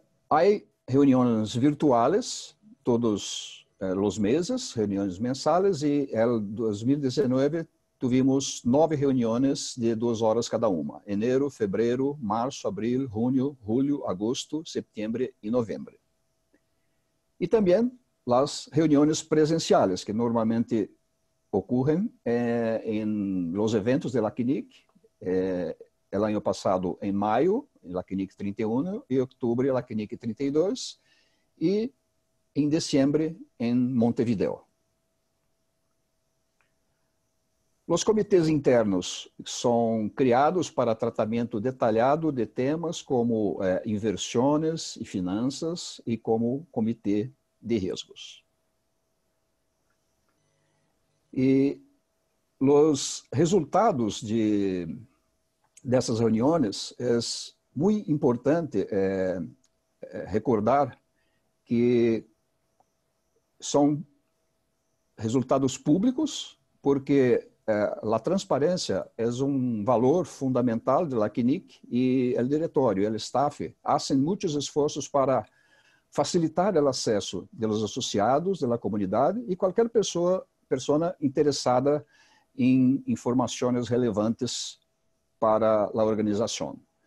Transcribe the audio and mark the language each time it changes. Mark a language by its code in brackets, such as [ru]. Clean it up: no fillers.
[pt] Há reuniões virtuais todos os meses, reuniões mensais, e em 2019 tivemos 9 reuniões de 2 horas cada uma: enero, fevereiro, março, abril, junho, julho, agosto, setembro e novembro. E também as reuniões presenciais, que normalmente ocorrem em [es] los eventos de la CNIC, el año pasado en mayo, en la CNIC 31, y octubre, la CNIC 32, y en diciembre, en Montevideo. Los comités internos son creados para tratamiento detallado de temas como inversiones y finanzas y como comité de riesgos. Y los resultados de [pt] dessas reuniões, é muito importante recordar que são resultados públicos, porque a transparência é um valor fundamental da CNIC, e o diretório, o staff, fazem muitos esforços para facilitar o acesso dos associados, da comunidade e qualquer pessoa interessada em informações relevantes para a organização.